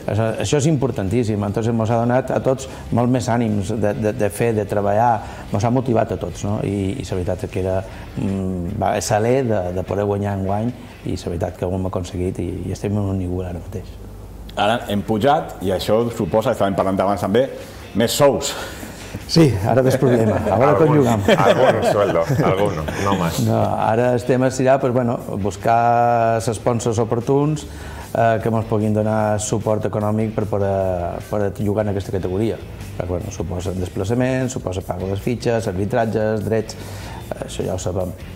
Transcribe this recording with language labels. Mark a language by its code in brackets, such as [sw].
[ca] Això és importantíssim, entonces mos ha donat a tots molt més ànims de fer, de treballar, mos ha motivat a tots, no? I la veritat que era l'alè de poder guanyar enguany, i la veritat que ho hem aconseguit i estem en un nivell ara mateix. Ara hem pujat, i això suposa, estàvem parlant d'abans també, més sous. Sí, ara ves problema, a veure com jugam. [es] Alguno sueldo, alguno, no más. [ca] No, ara estem a estirar, però bueno, buscar els sponsors oportuns que ens puguin donar suport econòmic per poder jugar en aquesta categoria. Perquè bueno, suposa desplaçament, suposa pago les fitxes, arbitratges, drets, això ja ho sabem.